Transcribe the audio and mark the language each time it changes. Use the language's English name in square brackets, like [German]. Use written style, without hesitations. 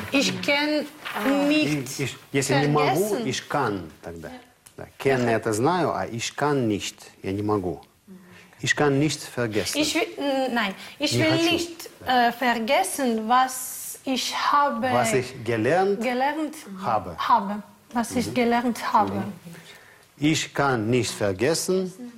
[German] Ich kann nicht vergessen. [Russian] Если не могу, ich kann тогда. Kenne это знаю, а [German] ich kann nicht, [Russian] я не могу. [German] Ich kann nichts vergessen. Ich will nicht vergessen, was ich gelernt habe. Ich kann nichts vergessen.